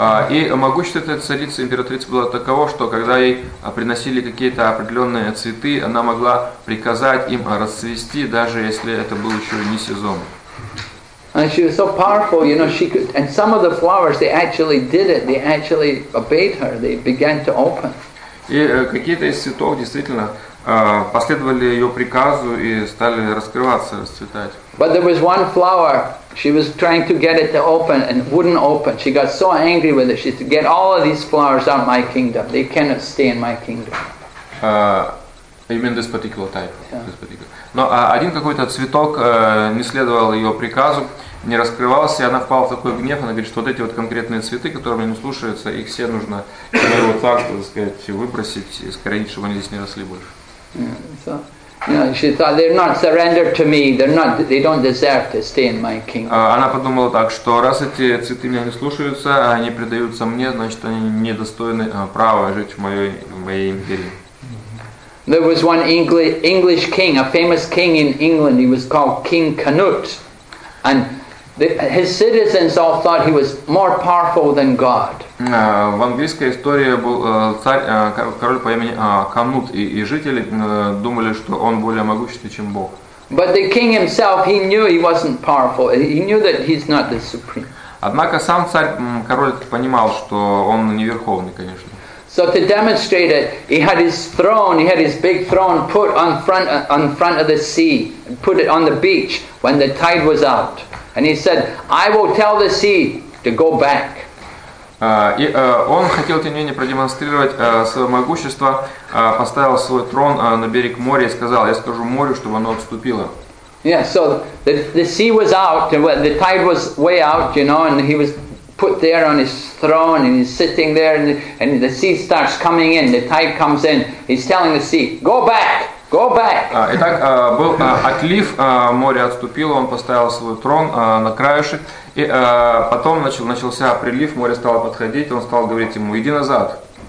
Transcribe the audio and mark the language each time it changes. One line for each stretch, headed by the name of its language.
Russian: И могущественная царица, императрица была такова, что когда ей приносили какие-то определенные цветы, она могла приказать им расцвести, даже если это был еще не сезон.
English: And she was so powerful, you know, she could, and some of the flowers, they actually did it, they actually obeyed her, they began to open.
Russian: И какие-то из цветов действительно последовали ее приказу и стали раскрываться, расцветать.
English: But there was one flower, she was trying to get it to open and wouldn't open. She got so angry with it, she said, get all of these flowers out of my kingdom, they cannot stay in my kingdom.
Russian: Именно
English: this particular type. Yeah. This particular.
Russian: Но один какой-то цветок не следовал ее приказу, не раскрывался, и она впала в такой гнев, она говорит, что вот эти вот конкретные цветы, которые мне не слушаются, их все нужно вот так, так сказать, выбросить, искоренить, чтобы они здесь не росли больше.
English: Yeah. So, you know, she thought, they're not surrendered to me, they're not, they don't deserve to stay in my kingdom.
Russian: Она подумала так, что раз эти цветы меня не слушаются, они предаются мне, значит, они недостойны права жить в моей империи.
English: There was one English king, a famous king in England. He was called King Canute, and his citizens all thought he was more powerful than God.
Russian: В английской истории был царь, король по имени Канут, и жители думали, что он более могущественный, чем Бог.
English: But the king himself, he knew he wasn't powerful. He knew that he's not the supreme.
Russian: Однако сам царь, король, понимал, что он не верховный, конечно.
English: So to demonstrate it, he had his throne, he had his big throne put on front of the sea, put it on the beach when the tide was out. And he said, I will tell the sea to go back.
Russian: Он хотел, тем не менее, продемонстрировать свое могущество, поставил свой трон на берег моря и сказал, я скажу морю, чтобы оно отступило.
English: Yeah, so the sea was out, the tide was way out, you know, and he was put there on his throne and he's sitting there and the sea starts coming in, the tide comes in, he's telling the sea, go back, go back.
Russian: Итак, был отлив, море отступило, он поставил свой трон на краешек, и потом начался прилив, море стало подходить, он стал говорить ему, иди назад.